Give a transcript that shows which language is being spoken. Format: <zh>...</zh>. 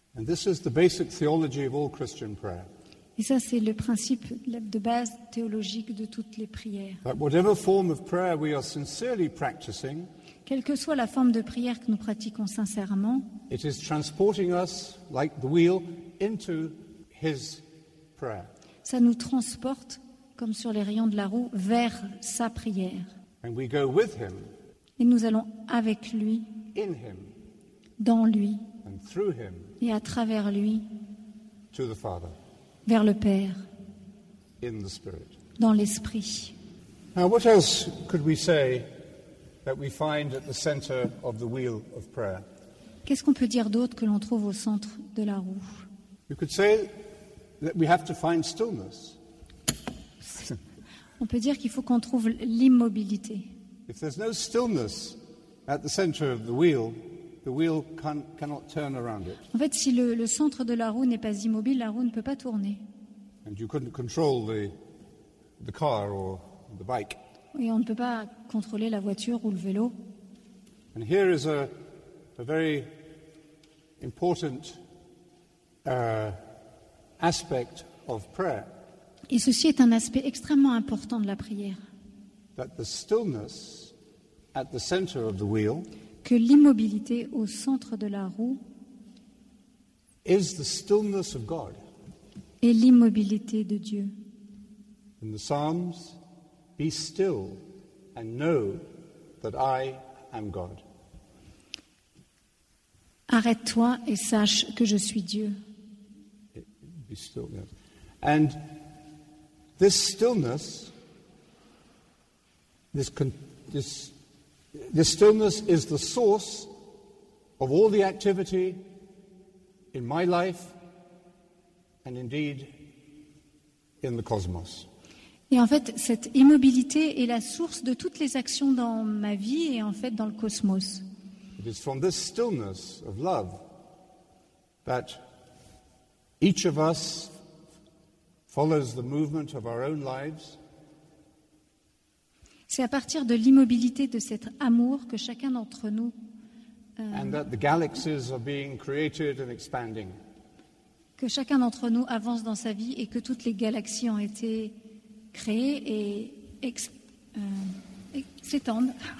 <en>And this is the basic theology of all Christian prayer.</en> <fr>Et ça, c'est le principe de base théologique de toutes les prières.</fr> <en>That whatever form of prayer we are sincerely practicing,</en> <fr>quelle que soit la forme de prière que nous pratiquons sincèrement,</fr> <en>it is transporting us like the wheel into his prayer.</en> <fr>Ça nous transporte comme sur les rayons de la roue vers sa prière.</fr> <en>And we go with him.</en> <fr>Et nous allons avec lui.</fr> <en>In him.</en> <fr>Dans lui.</fr> <en>And through him.</en> <fr>Et à travers lui.</fr> <en>To the Father.</en> <fr>Vers le Père.</fr> <en>In the Spirit.</en> <fr>Dans l'Esprit.</fr> <en>Now what else could we say that we find at the center of the wheel of prayer?</en> <fr>Qu'est-ce qu'on peut dire d'autre que l'on trouve au centre de la roue?</fr> <en>You could say that we have to find stillness.</en> <fr>On peut dire qu'il faut qu'on trouve l'immobilité.</fr> <en>If there's no stillness at the center of the wheel cannot turn around it.</en> <fr>En fait, si le centre de la roue n'est pas immobile, la roue ne peut pas tourner.</fr> <en>And you couldn't control the car or the bike.</en> <fr>Et on ne peut pas contrôler la voiture ou le vélo.</fr> <en>And here is a very important aspect of prayer.</en> <fr>Et ceci est un aspect extrêmement important de la prière.</fr> <en>That the stillness at the center of the wheel,</en> <fr>que l'immobilité au centre de la roue,</fr> <en>is the stillness of God.</en> <fr>Est l'immobilité de Dieu.</fr> <en>In the Psalms, be still and know that I am God.</en> <fr>Arrête-toi et sache que je suis Dieu.</fr> <en>Be still, yes. And this stillness, this stillness is the source of all the activity in my life and indeed in the cosmos.</en> <fr>Et en fait, cette immobilité est la source de toutes les actions dans ma vie et en fait dans le cosmos.</fr> <en>It is from this stillness of love that each of us follows the movement of our own lives.</en> <fr>C'est à partir de l'immobilité de cet amour que chacun d'entre nous</fr> <en>and that the galaxies are being created and expanding.</en> <fr>Que chacun d'entre nous avance dans sa vie et que toutes les galaxies ont été créées et s'étendent.</fr>